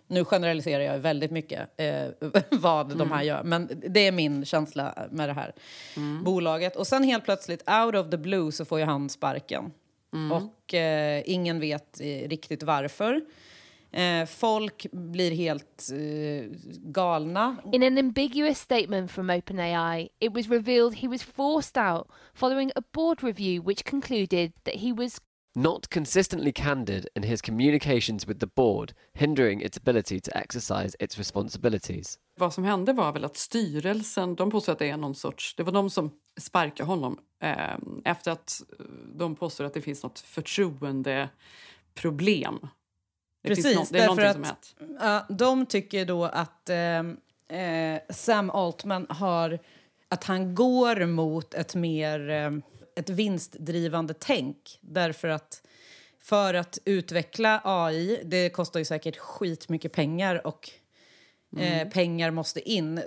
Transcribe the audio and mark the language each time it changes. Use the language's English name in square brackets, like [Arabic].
[Swedish] Nu generaliserar jag väldigt mycket vad de här gör. Men det är min känsla med det här bolaget. Och sen helt plötsligt, [English] out of the blue, [Swedish] så får ju han sparken. Mm. Och ingen vet riktigt varför. Folk blir helt galna. [English] In an ambiguous statement from OpenAI, it was revealed he was forced out following a board review which concluded that he was not consistently candid in his communications with the board, hindering its ability to exercise its responsibilities. [Swedish] Vad som hände var väl att styrelsen, de påstår att det är någon sorts, det var de som sparkade honom efter att de påstår att det finns något förtroendeproblem. Precis, därför att de tycker då att Sam Altman har, att han går mot ett mer ett vinstdrivande tänk, därför att för att utveckla AI, det kostar ju säkert skitmycket pengar och pengar måste in.